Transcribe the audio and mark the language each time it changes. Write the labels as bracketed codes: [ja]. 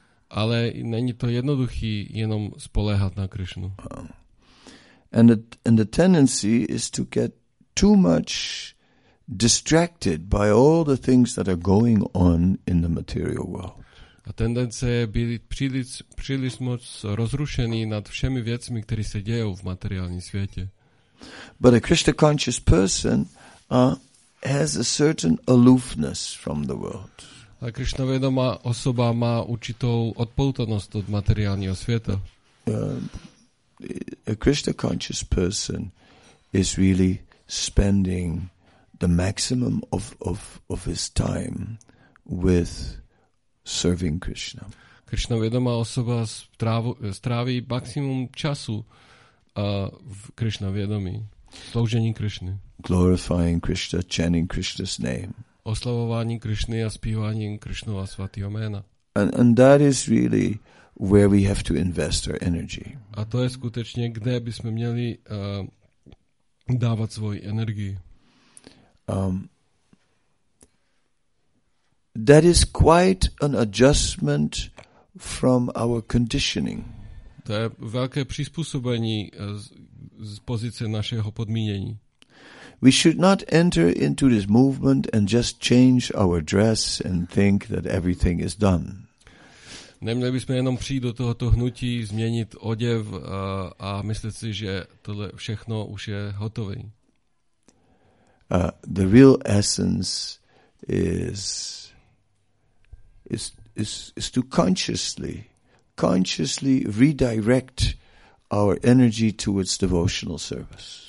[cs] Ale není to jednoduchý jenom spoléhat na Krishnu. [en] And the tendency is to get too much distracted by all the things that are going on in the material world. [cs] A tendence je být příliš moc rozrušený nad všemi věcmi, které se dějou v materiálním světě. [en] But a Krishna conscious person has a certain aloofness from the world. [cs] A Krishna vědomá osoba má určitou odpoutanost od materiálního světa. [en] A Krishna conscious person is really spending the maximum of his time with serving Krishna. [cs] Krishna vědomá osoba stráví maximum času v Krishna vědomí, sloužení Krishny. [en] Glorifying Krishna, chanting Krishna's name. [cs] Oslavování Krishny a zpívání Krishnova svatého jména. [en] And that is really where we have to invest our energy. [cs] A to je skutečně, kde bychom měli dávat svoji energii. [en] That is quite an adjustment from our conditioning. [cs] To je velké přizpůsobení z pozice našeho podmínění. [en] We should not enter into this movement and just change our dress and think that everything is done. [cs] Neměli bychom jenom přijít do tohoto hnutí, změnit oděv a myslet si, že tohle všechno už je hotové. [en] The real essence is to consciously redirect our energy towards devotional service.